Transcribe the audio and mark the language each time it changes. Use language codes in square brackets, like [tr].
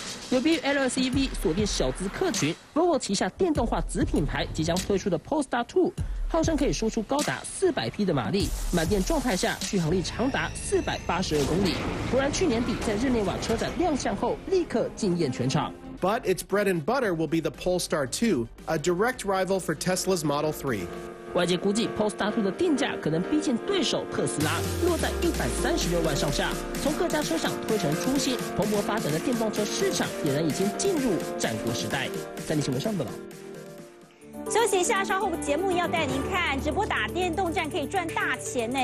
[zh] 有别于 LSEV 锁定小资客群， Volvo 旗下电动化子品牌即将推出的 Polestar 2， 号称可以输出高达400匹的马力，满电状态下续航力长达482公里。果然去年底在日内瓦车展亮相后立刻惊艳全场。 [en] But its bread and butter will be the Polestar 2, a direct rival for Tesla's Model 3。 [zh] 外界估计 Polestar 2的定价可能逼近对手特斯拉，落在136万上下。从各家车厂推陈出新、蓬勃发展的电动车市场，俨然已经进入战国时代。三立新闻上报道。休息一下，稍后节目要带您看直播打电动战可以赚大钱呢。